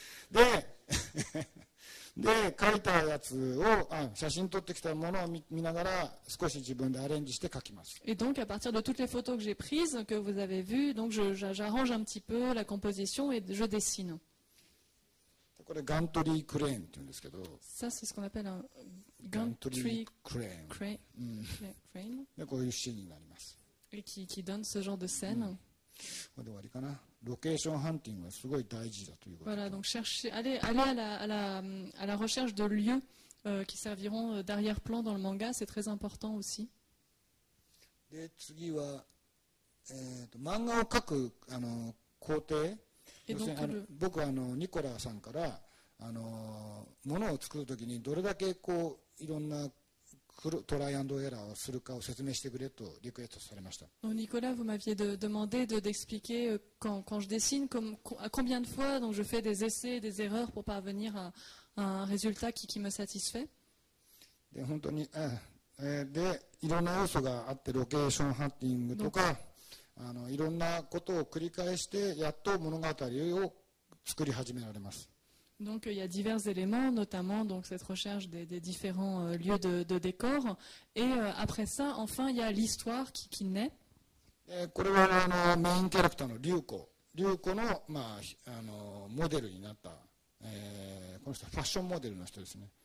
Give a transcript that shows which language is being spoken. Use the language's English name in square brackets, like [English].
[Japanese] で、で書いたやつを、写真撮ってきたものを見ながら少し自分でアレンジして書きます。 [French] Et donc à partir de toutes les photos que j'ai prises que vous avez vues, donc j'arrange un petit peu la composition et je dessine. [Japanese] これガントリークレーンって言うんですけど。 [French] Ça c'est ce qu'on appelle un gantry crane. [Japanese] でこういうシーンになります。 [French] Et qui donne ce genre de scène. [Japanese] これで終わりかな。ロケーションハンティングはすごい大事だということ。 [French] Voilà, donc chercher, aller à la recherche de lieux qui serviront d'arrière-plan dans le manga, c'est très important aussi. [Japanese] で次は漫画を描く工程。 [French] Et donc, [Japanese] 僕はニコラさんからものを作るときにどれだけこういろんなトライアンドエラーをするかを説明してくれとリクエストされました。 [French] ニコラ、vous m'aviez demandé d'expliquer quand je dessine, à combien de fois donc je fais des essais, des erreurs pour parvenir à un résultat qui me satisfait. [Japanese] で本当に、でいろんな要素があってロケーションハンティングとか。いろんなことを繰り返してやっと物語を作り始められます。 [French] Donc il y a divers éléments, notamment donc cette recherche des différents lieux de décor. Et après ça, enfin il y a l'histoire qui naît. [Japanese] これはメインキャラクターのリュウコ。リュウコのまあモデルになった、この人はファッションモデルの人ですね。